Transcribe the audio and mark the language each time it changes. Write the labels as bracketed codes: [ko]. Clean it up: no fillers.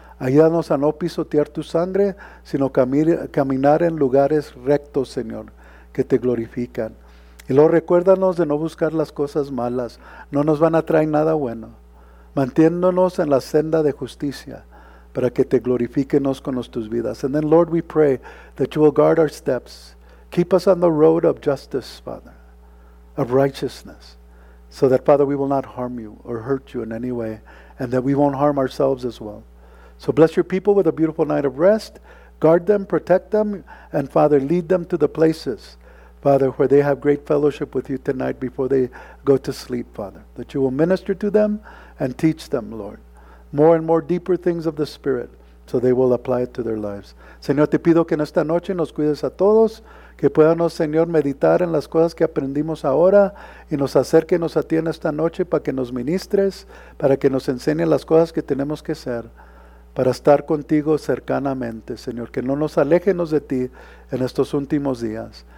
[es] Ayúdanos a no pisotear tu sangre, sino caminar en lugares rectos, Señor, que te glorifican. Y luego recuérdanos de no buscar las cosas malas. No nos van a traer nada bueno. Mantiéndonos en la senda de justicia para que te glorifiquenos con nuestras vidas. [en] And then, Lord, we pray that you will guard our steps. Keep us on the road of justice, Father, of righteousness, so that, Father, we will not harm you or hurt you in any way, and that we won't harm ourselves as well. So bless your people with a beautiful night of rest. Guard them, protect them, and Father, lead them to the places, Father, where they have great fellowship with you tonight before they go to sleep, Father, that you will minister to them and teach them, Lord, more and more deeper things of the Spirit, so they will apply it to their lives. [es] Señor, te pido que en esta noche nos cuides a todos, que podamos, Señor, meditar en las cosas que aprendimos ahora y nos acérquenos a ti en esta noche para que nos ministres, para que nos enseñen las cosas que tenemos que hacer, para estar contigo cercanamente, Señor, que no nos alejemos de ti en estos últimos días.